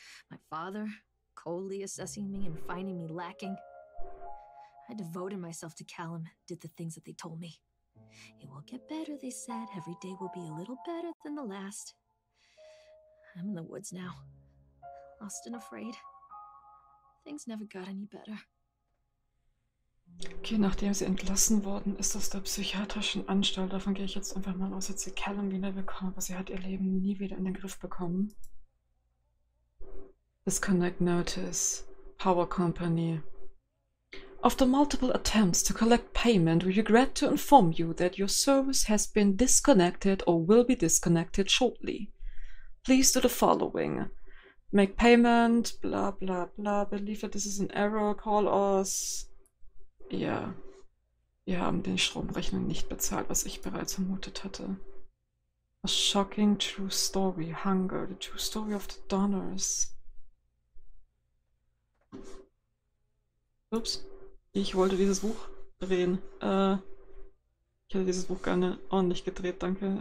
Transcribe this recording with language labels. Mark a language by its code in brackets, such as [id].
[en] My father, coldly assessing me and finding me lacking. I devoted myself to Callum and did the things that they told me. It will get better, they said. Every day will be a little better than the last. I'm in the woods now, lost and afraid. Things never got any better. [de] Okay, nachdem sie entlassen worden ist aus der psychiatrischen Anstalt, davon gehe ich jetzt einfach mal aus, dass sie Callum wiederbekommen, aber sie hat ihr Leben nie wieder in den Griff bekommen. [en] Disconnect Notice. Power Company. After multiple attempts to collect payment, we regret to inform you that your service has been disconnected or will be disconnected shortly. Please do the following. Make payment, bla bla bla, believe that this is an error, call us. [de] Ja. Wir haben den Stromrechnung nicht bezahlt, was ich bereits vermutet hatte. [en] A shocking true story, Hunger, the true story of the Donners. [de] Ups, ich wollte dieses Buch drehen. Ich hätte dieses Buch gerne ordentlich gedreht, danke.